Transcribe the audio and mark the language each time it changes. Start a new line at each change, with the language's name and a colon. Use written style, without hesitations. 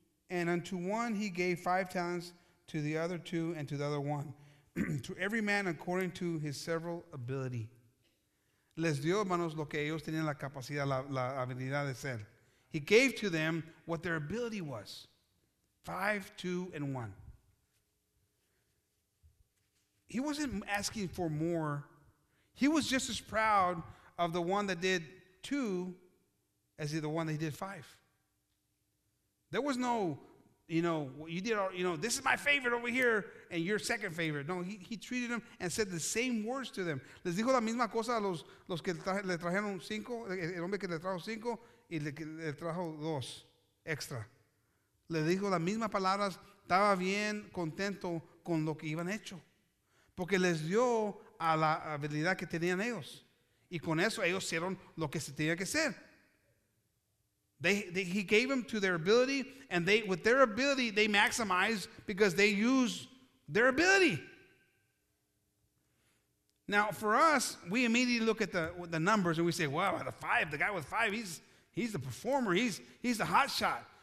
English: And unto one he gave 5 talents, to the other 2, and to the other 1. To every man according to his several ability.
Spanish: Les dio, hermanos, lo que ellos tenían la capacidad, la habilidad de ser.
English: He gave to them what their ability was. 5, 2, and 1. He wasn't asking for more. He was just as proud of the one that did 2 as the one that did 5. There was no, you did all, this is my favorite over here and your second favorite. No, he treated them and said the same words to them.
Spanish: Les dijo la misma cosa a los que le trajeron 5, el hombre que le trajo 5 y le trajo 2 extra. Le dijo las mismas palabras, estaba bien contento con lo que iban hecho. Porque les dio a la habilidad que tenían ellos. Y con eso ellos hicieron lo que se tenía que hacer.
English: He gave them to their ability, and they, with their ability, they maximized because they used their ability. Now, for us, we immediately look at the numbers and we say, wow, the 5, the guy with 5, he's the performer, he's the hot shot.